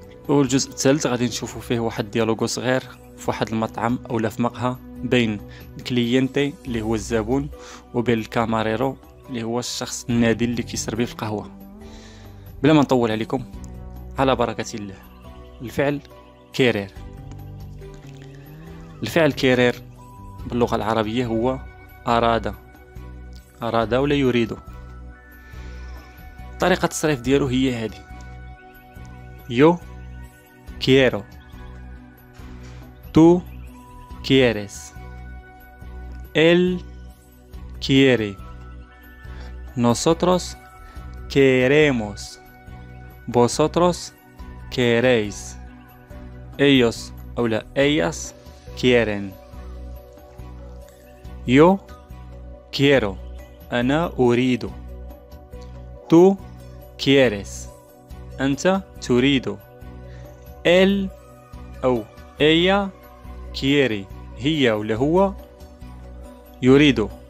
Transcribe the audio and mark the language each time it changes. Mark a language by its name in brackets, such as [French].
[Arabic] والجزء الثالث غادي نشوفوا فيه واحد ديالوغ صغير في واحد المطعم او لا في مقهى بين الكليينتي اللي هو الزبون وبين الكاميريرو اللي هو الشخص النادل اللي كيسربي في القهوة. بلا ما نطول عليكم، على بركة الله. الفعل كيرير، الفعل كيرير باللغة العربية هو أراد، أراد ولا يريد. طريقة التصريف ديالو هي هذه: يو [Spanish] quiero، tú quieres، él quiere، nosotros queremos، vosotros queréis، ellos او la ellas quieren. yo quiero، [Arabic] انا اريد، [Spanish] tú quieres، [Arabic] انت تريد، [Spanish] él [Arabic] أو [Spanish] ella quiere، [Arabic] هي أو هو يريد،